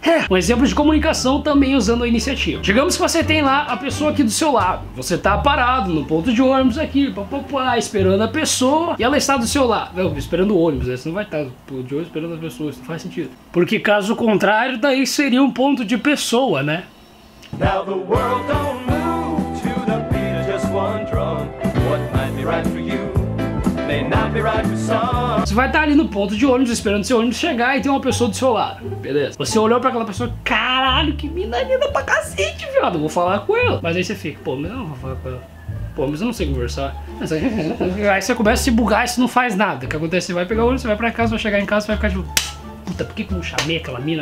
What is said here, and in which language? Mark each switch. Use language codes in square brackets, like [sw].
[pt] Um exemplo de comunicação também usando a iniciativa. Digamos que você tem lá a pessoa aqui do seu lado. Você tá parado no ponto de ônibus aqui, papapá, esperando a pessoa. E ela está do seu lado. Não, esperando o ônibus, né? Você não vai estar no ponto de ônibus esperando a pessoa, isso não faz sentido. Porque caso contrário, daí seria um ponto de pessoa, né? [en] Now the world don't move to the beat of just one drum. What might be right for you may not be right for some. [pt] Você vai estar ali no ponto de ônibus esperando seu ônibus chegar e tem uma pessoa do seu lado. Beleza. Você olhou pra aquela pessoa, caralho, que mina linda pra cacete, viado. Vou falar com ela. Mas aí você fica, pô, mas eu não vou falar com ela. Pô, mas eu não sei conversar. Mas aí você começa a se bugar e você não faz nada. O que acontece? Você vai pegar o ônibus, você vai pra casa, vai chegar em casa, você vai ficar tipo, puta, por que eu não chamei aquela mina?